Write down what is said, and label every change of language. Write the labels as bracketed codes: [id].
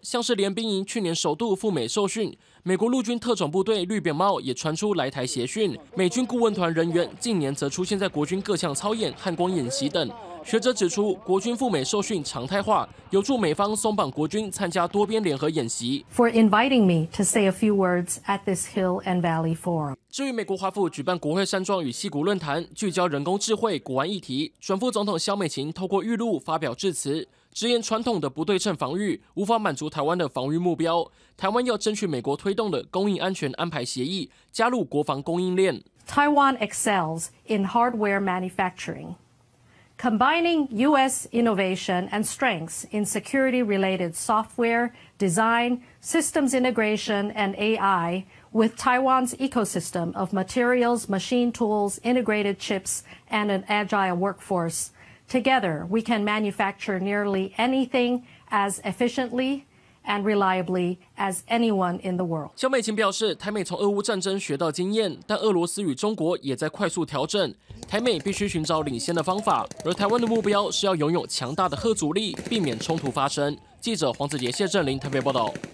[zh] 像是联兵营去年首度赴美受训，美国陆军特种部队绿扁帽也传出来台协训。美军顾问团人员近年则出现在国军各项操演、汉光演习等。学者指出，国军赴美受训常态化，有助美方松绑国军参加多边联合演习。 [en] For inviting me to say a few words at this Hill and Valley Forum. [zh] 至于美国华府举办国会山庄与矽谷论坛，聚焦人工智慧、国安议题，准副总统萧美琴透过预录发表致辞，直言传统的不对称防御无法满足台湾的防御目标，台湾要争取美国推动的供应安全安排协议加入国防供应链。 [en] Taiwan excels in hardware manufacturing. Combining U.S. innovation and strengths in security-related software, design, systems integration, and AI with Taiwan's ecosystem of materials, machine tools, integrated chips, and an agile workforce. Together, we can manufacture nearly anything as efficiently and reliably as anyone in the world. [zh] 萧美琴表示，台美从俄乌战争学到经验，但俄罗斯与中国也在快速调整。台美必须寻找领先的方法，而台湾的目标是要拥有强大的吓阻力，避免冲突发生。记者黄子杰、谢振林台北报道。